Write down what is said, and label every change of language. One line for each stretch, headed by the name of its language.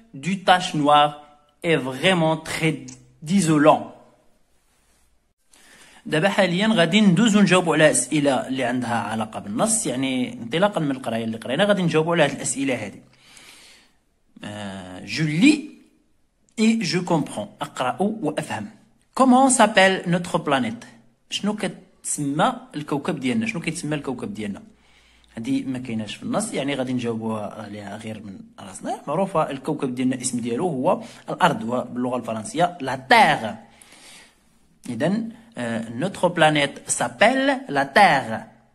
French: du tache noir est vraiment très isolant.
Arabic: دابا حاليا غادي ندوزو نجاوبو على الاسئله اللي عندها علاقه بالنص، يعني انطلاقا من القرايه اللي قرينا غادي نجاوبو على هاد الاسئله هادي.
French: Je lis et je comprends.
Arabic: اقرا وافهم.
French: Comment s'appelle notre planète؟
Arabic: شنو كتسمى الكوكب ديالنا؟ شنو كيتسمى الكوكب ديالنا؟ هادي ما كايناش في النص، يعني غادي نجاوبوها عليها غير من راسنا. معروفه الكوكب ديالنا اسم ديالو هو الارض، هو باللغه الفرنسيه لا تيغ.
French: اذا notre planète s'appelle la Terre.